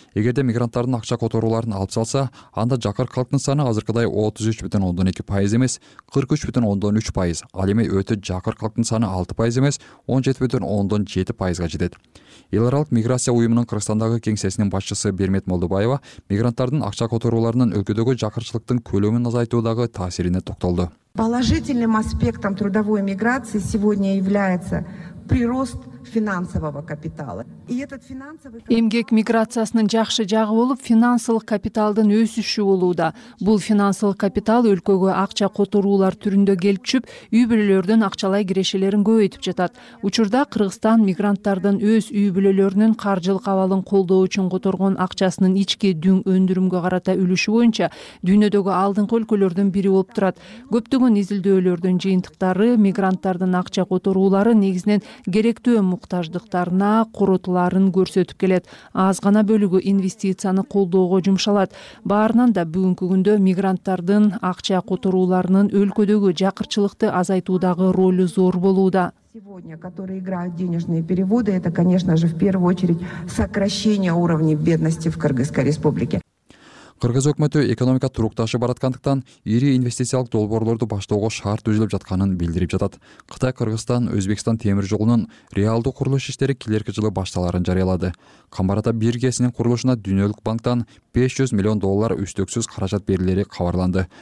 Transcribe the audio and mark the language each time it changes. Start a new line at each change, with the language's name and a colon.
Kyrgyz: Эгерде мигранттардын акча которууларын алып салса, анда жакыр калктын саны азыркыдай 33.2% эмес, 43.3%, ал эми өтө жакыр калктын саны 6% эмес, 17.7% жетет. Эл аралык миграция уюмунун Кыргызстандагы кеңсесинин башчысы Бермет Молдубаева мигранттардын акча которууларынын өлкөдөгү жакырчылыктын көлөмүн азайтуудагы таасирине токтолду.
Russian: Положительным аспектом трудовой миграции сегодня является прирост финансового капитала. И этот финансовый капитал...
Kyrgyz: Эмгек миграциясынын жакшы жагы болуп, финансылык капиталдын өсүшү болууда. Бул финансылык капитал өлкөгө акча которуулар түрүндө келип чүп, үй бүлөлөрдүн акчалай кирешелерин көбөйтүп жатат. Учурда Кыргызстан мигранттардын өз үй бүлөлөрүнүн каржылык абалын колдоо үчүн которгон акчасынын ички дүн өндүрүмгө карата үлүшү боюнча дүйнөдөгү алдыңкы өлкөлөрдүн бири болуп турат. Көптөгөн изилдөөлөрдүн жыйынтыктары мигранттардын акча которуулары негизинен керектүү муктаждыктарына курутларын көрсөтүп келет. Аз гана бөлүгү инвестицияны колдоого жумшалат. Баарынан да бүгүнкү күндө мигранттардын акча которууларынын өлкөдөгү жакырчылыкты азайтуудагы ролу зор болууда.
Russian: Сегодня, которые играют денежные переводы, это, конечно же, в первую очередь сокращение уровня бедности в Кыргызской Республике.
Kyrgyz: Кыргыз өкмөтү экономика турукташы бараткандыктан ири инвестициялык долбоорлорду баштоого шарт түзүлүп жатканын билдирип жатат. Кытай Кыргызстан Өзбекстан темир жолунун реалдуу курулуш иштери келерки жылы башталарын жарыялады. Камбарата бир гесинин курулушуна Дүйнөлүк банктан 500 миллион доллар үстөксүз каражат берилери кабарланды.